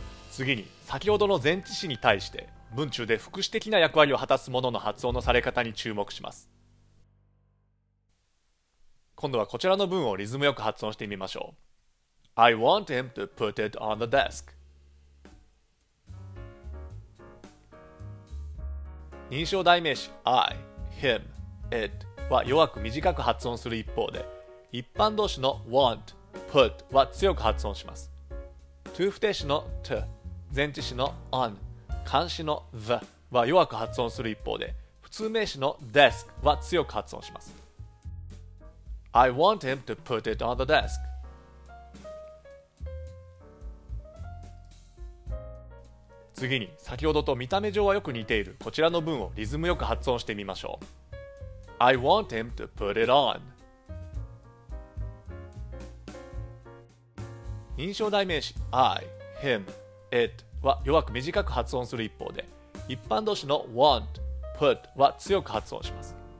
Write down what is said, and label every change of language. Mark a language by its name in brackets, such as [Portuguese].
[Japanese] 次に先ほどの前置詞に対して文中で副詞的な役割を果たすものの発音のされ方に注目します。今度はこちらの文をリズムよく発音してみましょう。 [English] I want him to put it on the desk。 [Japanese] 認証代名詞 I、him、it は弱く短く発音する一方で、一般動詞の want、put は強く発音します。 to 不定詞の to、 前置詞の on、 冠詞の the は弱く発音する一方で、普通名詞の desk は強く発音します。 [English] I want him to put it on the desk。 [Japanese] 次に先ほどと見た目上はよく似ているこちらの文をリズムよく発音してみましょう。 [English] I want him to put it on。 [Japanese] 認証代名詞 I、him、it は弱く短く発音する一方で、一般動詞の want、put は強く発音します。